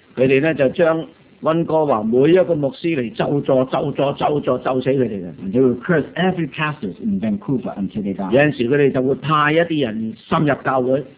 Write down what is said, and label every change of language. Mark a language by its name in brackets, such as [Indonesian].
[Cantonese] 佢哋咧就將温哥華每一個牧師嚟咒助、咒助、咒助、咒死佢哋嘅。 [English] And they will curse every pastor in Vancouver until they die. [Cantonese] 有陣時佢哋就會派一啲人深入教會。